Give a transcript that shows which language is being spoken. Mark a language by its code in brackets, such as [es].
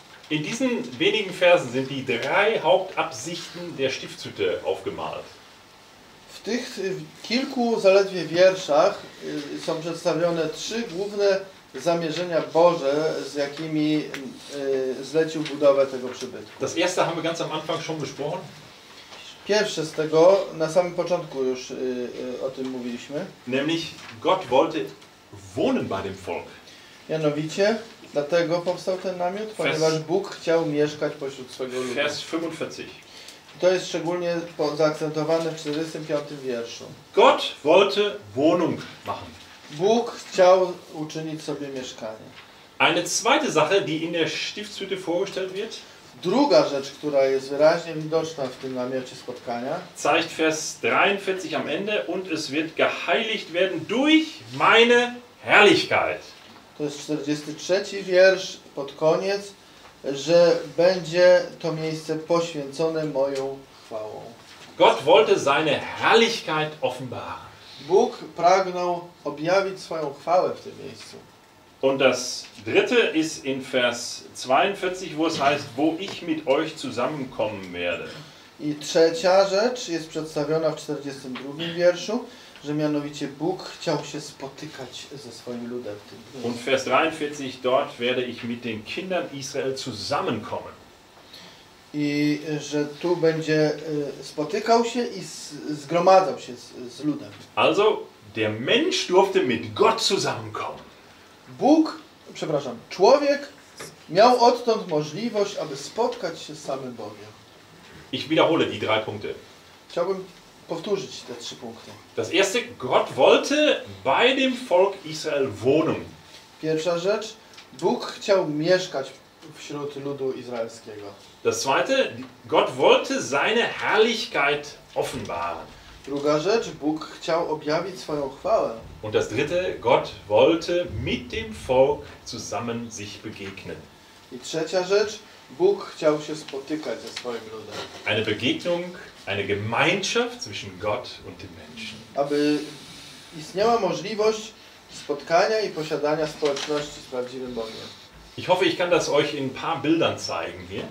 [de] In diesen wenigen Versen sind die drei Hauptabsichten der Stiftshütte aufgemalt. [pl] W tych kilku zaledwie wierszach są przedstawione trzy główne zamierzenia Boże, z jakimi zlecił budowę tego przybytku. [de] Das erste haben wir ganz am Anfang schon besprochen. [pl] Pierwsze z tego na samym początku już o tym mówiliśmy. [de] Nämlich Gott wollte wohnen bei dem Volk. [pl] Mianowicie dlatego powstał ten namiot, ponieważ Bóg chciał mieszkać pośród swojego ludu. [de] Vers 45. [pl] To jest szczególnie zaakcentowane w 45. wierszu. [de] Gott wollte Wohnung machen. [pl] Bóg chciał uczynić sobie mieszkanie. [de] Eine zweite Sache, die in der Stiftshütte vorgestellt wird. [pl] Druga rzecz, która jest wyraźnie widoczna w tym namiocie spotkania. [de] Zeigt Vers 43 am Ende und es wird geheiligt werden durch meine Herrlichkeit. [pl] To jest 43 wiersz pod koniec, że będzie to miejsce poświęcone moją chwałą. [de] Gott wollte seine Herrlichkeit offenbaren. [pl] Bóg pragnął objawić swoją chwałę w tym miejscu. [de] Und das dritte ist in Vers 42, wo es heißt, wo ich mit euch zusammenkommen werde. [pl] I trzecia rzecz jest przedstawiona w 42 wierszu, że mianowicie Bóg chciał się spotykać ze swoim ludem w tym miejscu. [de] Und Vers 43, dort werde ich mit den Kindern Israel zusammenkommen. [pl] I że tu będzie spotykał się i zgromadzał się z ludem. [de] Also, der Mensch durfte mit Gott zusammenkommen. [pl] Bóg, przepraszam, człowiek miał odtąd możliwość, aby spotkać się z samym Bogiem. [de] Ich wiederhole die drei Punkte. [pl] Chciałbym powtórzyć te trzy punkty. [de] Das erste, Gott wollte bei dem Volk Israel wohnen. [pl] Pierwsza rzecz, Bóg chciał mieszkać wśród ludu izraelskiego. [de] Das zweite, Gott wollte seine Herrlichkeit offenbaren. [pl] Druga rzecz, Bóg chciał objawić swoją chwałę. [de] Und das dritte, Gott wollte mit dem Volk zusammen sich begegnen. [pl] I trzecia rzecz, Bóg chciał się spotykać ze swoim ludem. [de] Eine Begegnung, eine Gemeinschaft zwischen Gott und dem Menschen. [pl] Aby istniała możliwość spotkania i posiadania społeczności z prawdziwym Bogiem. [de] Ich hoffe, ich kann das euch in ein paar Bildern zeigen hier.